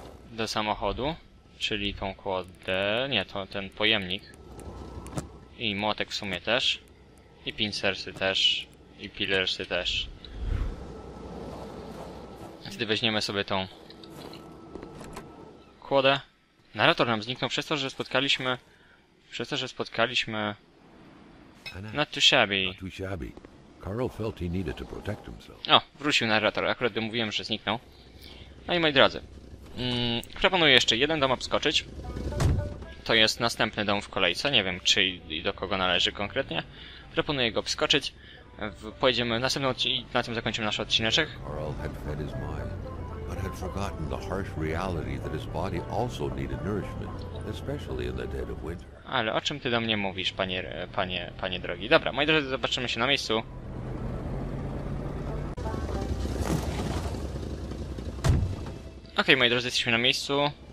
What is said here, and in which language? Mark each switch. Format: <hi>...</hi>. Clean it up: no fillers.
<pl>Do samochodu, czyli tą kłodę, nie, to ten pojemnik i młotek w sumie też i pincersy też i pillersy też. Wtedy weźmiemy sobie tą kładę. Narrator nam zniknął przez to, że spotkaliśmy. Przez to, że spotkaliśmy.</pl> <en>Not too shabby. Not too shabby. Carl felt he needed to protect himself.</en> <pl>O, wrócił narrator. Akurat mówiłem, że zniknął. No i moi drodzy. Proponuję jeszcze jeden dom obskoczyć. To jest następny dom w kolejce. Nie wiem, czy i do kogo należy konkretnie. Proponuję go obskoczyć. Pojedziemy następną i na tym zakończymy nasz odcineczek.</pl> <en>Carl had fed his mind, but had forgotten the harsh reality that his body also needed nourishment, especially in the dead of winter.</en> <pl>Ale o czym ty do mnie mówisz, panie drogi? Dobra, moi drodzy, zobaczymy się na miejscu. Okej, moi drodzy, jesteśmy na miejscu.</pl>